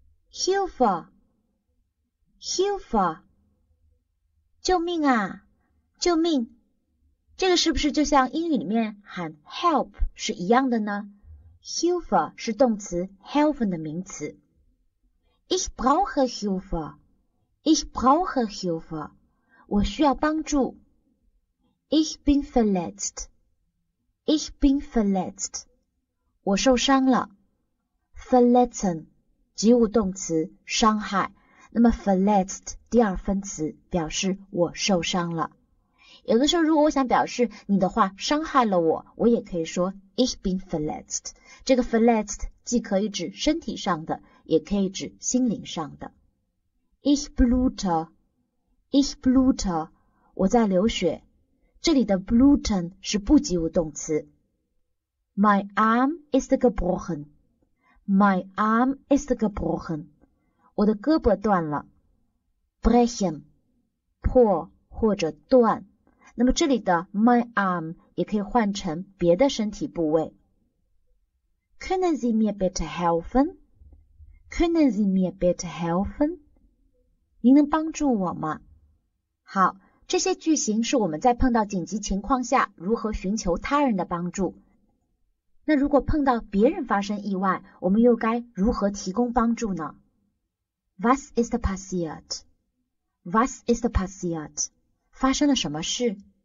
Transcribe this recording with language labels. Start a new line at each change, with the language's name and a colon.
German: Hilfe! Hilfe!
Chinese: 救命啊！救命！这个是不是就像英语里面喊 help 是一样的呢？ Hilfe 是动词 helfen 的名词。
German: Ich brauche Hilfe. Ich brauche Hilfe.
Chinese: 我需要帮助。
German: Ich bin verletzt. Ich bin verletzt.
Chinese: 我受伤了。 Verletzen, 及物动词伤害。那么 verletzt, 第二分词表示我受伤了。有的时候如果我想表示你的话伤害了我，我也可以说
German: Ich bin verletzt.
Chinese: 这个 verletzt 既可以指身体上的，也可以指心灵上的。
German: Ich blute. Ich blute.
Chinese: 我在流血。这里的 bluten 是不及物动词。
German: My arm is gebrochen. My arm is gebrochen.
Chinese: 我的胳膊断了。
German: Brechen.
Chinese: 破或者断。那么这里的 my arm 也可以换成别的身体部位。
German: Können Sie mir bitte helfen? Können Sie mir bitte helfen?
Chinese: 您能帮助我吗？好。这些句型是我们在碰到紧急情况下如何寻求他人的帮助。那如果碰到别人发生意外，我们又该如何提供帮助呢？
German: Was ist passiert? Was ist passiert?
Chinese: 发生了什么事？